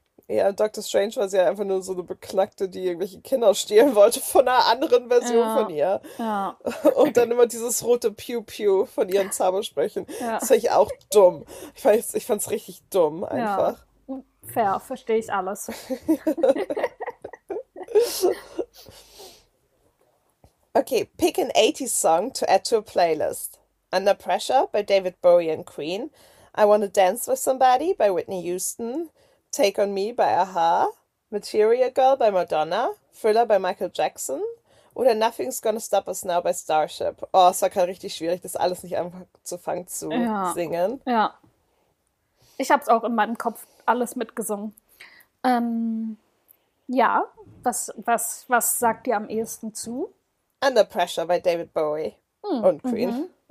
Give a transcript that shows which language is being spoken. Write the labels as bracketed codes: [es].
[de] Ja, Doctor Strange war sie ja einfach nur so eine Beknackte, die irgendwelche Kinder stehlen wollte von einer anderen Version von ihr. Ja. Und dann immer dieses rote Piu-Piu von ihren Zaubersprüchen. Ja. Das fand ich auch dumm. Ich fand's richtig dumm einfach. Ja. Fair, verstehe ich alles. [en] Okay, pick an 80s song to add to a playlist. Under Pressure by David Bowie and Queen. I Wanna Dance with Somebody by Whitney Houston. Take on Me by Aha, Material Girl by Madonna, Thriller by Michael Jackson oder Nothing's Gonna Stop Us Now by Starship. [de] Oh, es war gerade richtig schwierig, das alles nicht einfach zu fangen zu singen. Ja. Ich habe es auch in meinem Kopf alles mitgesungen. Ja, was sagt ihr am ehesten zu? [en] Under Pressure by David Bowie und Queen.